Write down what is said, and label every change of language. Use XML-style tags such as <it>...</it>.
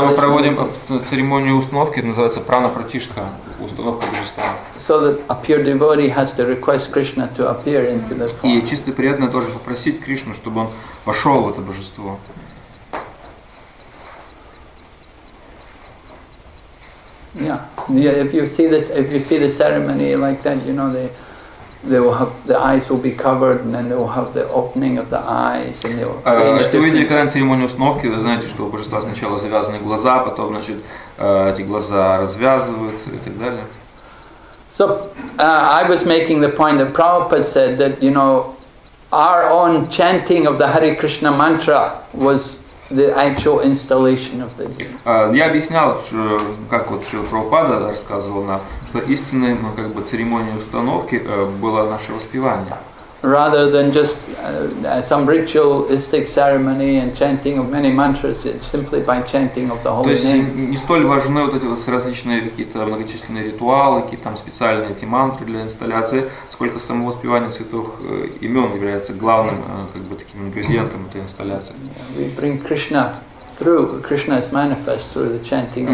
<ru>мы проводим церемонию установки, называется прана пратишта, установка божества.</ru> <en>So that a pure devotee has to request Krishna to appear into the form.</en> <ru>И чистый преданный должен попросить Кришну, чтобы он вошел в это божество.</ru> <en>Yeah. If you see the ceremony like that, you know they will have the eyes will be covered, and then they will have the opening of the eyes, and they will.</en> <ru>Если вы видели когда-нибудь церемонию установки, вы знаете, что у божества сначала завязаны глаза, потом, значит, эти глаза развязывают и так далее.</ru> <en>So I was making the point that Prabhupada said that, you know, our own chanting of the Hare Krishna mantra was the actual installation of the deity.</en> <ru>Я объяснял, что, как вот Шрила Прабхупада рассказывал нам, что истинной, ну, как бы церемонией установки было наше воспевание.</ru> <en>Rather than just some ritualistic ceremony and chanting of many мантрас, it's simply by chanting of the holy name.</en> <ru>То есть не столь важны вот эти вот различные какие-то многочисленные ритуалы, какие-то там специальные эти мантры для инсталляции, сколько само воспевание святых имен является главным как бы таким ингредиентом этой инсталляции.</ru> <en>We bring Krishna through. Krishna is manifest through the chanting.</en>